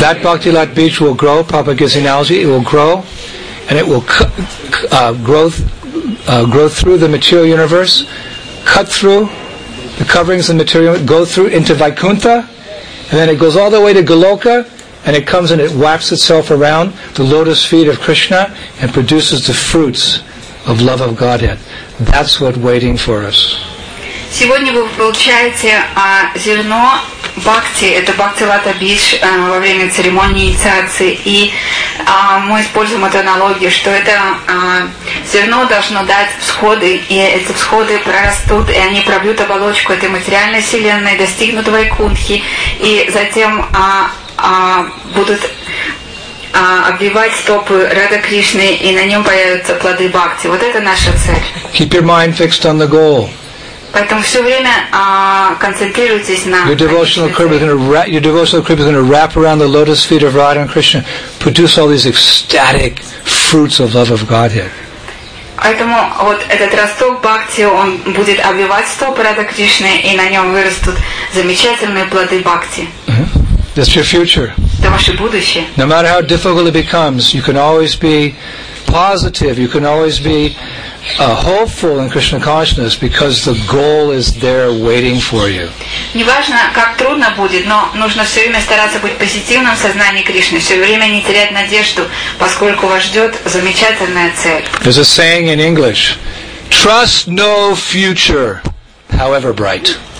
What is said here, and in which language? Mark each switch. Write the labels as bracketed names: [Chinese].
[English] that bhakti lat beach will grow. Papa gives analogy, it will grow, and it will grow through the material universe, cut through the coverings of the material, go through into Vaikuntha, and then it goes all the way to Goloka, and it comes and it wraps itself around the lotus feet of Krishna and produces the fruits of love of Godhead. That's what waiting for us. [Russian] Сегодня вы получаете зерно бхакти, это бхакти лата бидж во время церемонии инициации, и мы используем эту аналогию, что это зерно должно дать всходы, и эти всходы прорастут, и они пробьют оболочку этой материальной вселенной, достигнут Вайкунтхи, и затем будут обвивать стопы Рада Кришны, и на нем появятся плоды бхакти. Вот это наша цель. [English] Keep your mind fixed on the goal. [Russian] Поэтому все время концентрируйтесь на [English] Your devotional kripa is going to wrap around the lotus feet of Radha and Krishna, produce all these ecstatic fruits of love of Godhead. [Russian] Поэтому вот этот росток бхакти, он будет обвивать стопы Рада Кришны, и на нем вырастут замечательные плоды бхакти. [English] That's your future. No matter how difficult it becomes, you can always be positive, you can always be hopeful in Krishna consciousness because the goal is there waiting for you. [Russian] Неважно, как трудно будет, но нужно все время стараться быть позитивным в сознании Кришны, все время не терять надежду, поскольку вас ждет замечательная цель. [English] There's a saying in English, trust no future, however bright.